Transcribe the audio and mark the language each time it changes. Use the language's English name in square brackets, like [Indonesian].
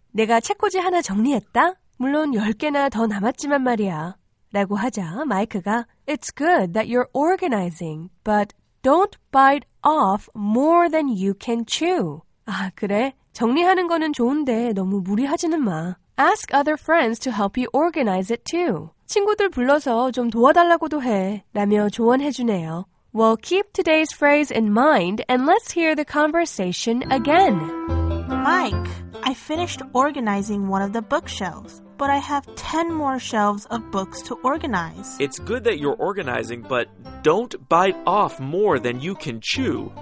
[Korean] 내가 책꽂이 하나 정리했다? 물론 10개나 더 남았지만 말이야. 라고 하자 마이크가 [English] It's good that you're organizing, but don't bite off more than you can chew. [Korean] 아, 그래? 정리하는 거는 좋은데 너무 무리하지는 마. [English] Ask other friends to help you organize it too. [Korean] 친구들 불러서 좀 도와달라고도 해. 라며 조언해주네요. [English] Well, keep today's phrase in mind and let's hear the conversation again. Mike, I finished organizing one of the bookshelves, but I have 10 more shelves of books to organize. It's good that you're organizing, but don't bite off more than you can chew.